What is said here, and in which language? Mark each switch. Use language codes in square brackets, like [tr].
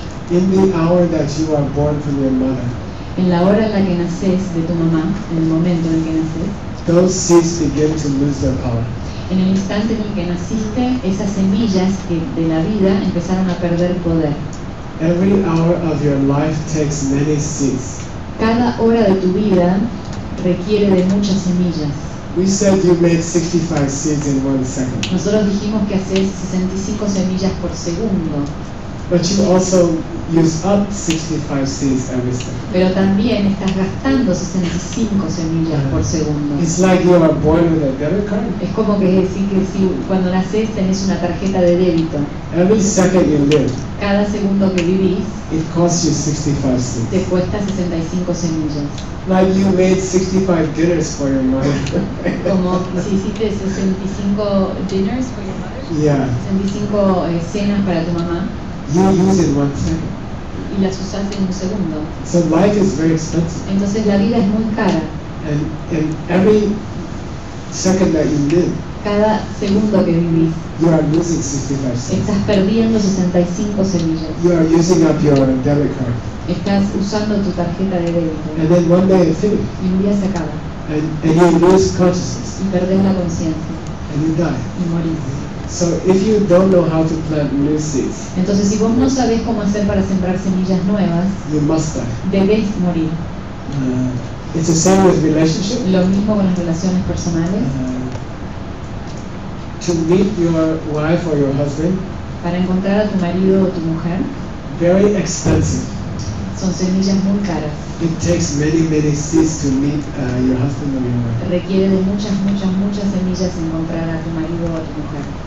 [en] In the hour that you are born from your mother, [es] en la hora en la que naces de tu mamá, en el momento en el que naces, [en] those seeds begin to lose their power. [es] En el instante en el que naciste, esas semillas que de la vida empezaron a perder poder. [en] Every hour of your life takes many seeds. [es] Cada hora de tu vida requiere de muchas semillas. [en] We said you made 65 seeds in 1 second. [es] Nosotros dijimos que haces 65 semillas por segundo. [en] But you also use up 65 seeds every second. [es] Pero también estás gastando 65 semillas por segundo. [en] It's like you are born with a debit card. [es] Es como que decir que si cuando naces tenés una tarjeta de débito. [en] Every second you live, [es] cada segundo que vivís, [en] it costs you 65 seeds. [es] Te cuesta 65 semillas. [en] Like you made 65 dinners for your mother. [es] Como si hiciste [en] 65 dinners for your mother. Yeah. [es] 65 cenas para tu mamá. [en] You use it 1 second. [es] Y las usas en un segundo. [en] So life is very expensive. [es] Entonces la vida es muy cara. [en] And every second that you live, [es] cada segundo que vivís, [en] you are losing 65 seeds. [es] Estás perdiendo 65 semillas. [en] You are using up your debit card. [es] Estás usando tu tarjeta de débito. [en] And then one day it finishes. [es] Y un día se acaba. [en] And you lose consciousness. [es] Y perdés la conciencia. [en] And you die. [es] Y morís. [en] So if you don't know how to plant new seeds, [es] entonces si vos no sabes cómo hacer para sembrar semillas nuevas, [en] you must die. [es] Debes morir. [en] It's the same with relationships. [es] Lo mismo con las relaciones personales. [en] To meet your wife or your husband, [es] para encontrar a tu marido o tu mujer, [en] very expensive. [es] Son semillas muy caras. [en] It takes many, many seeds to meet your husband or your wife. [es] Requiere de muchas, muchas, muchas semillas encontrar a tu marido o a tu mujer.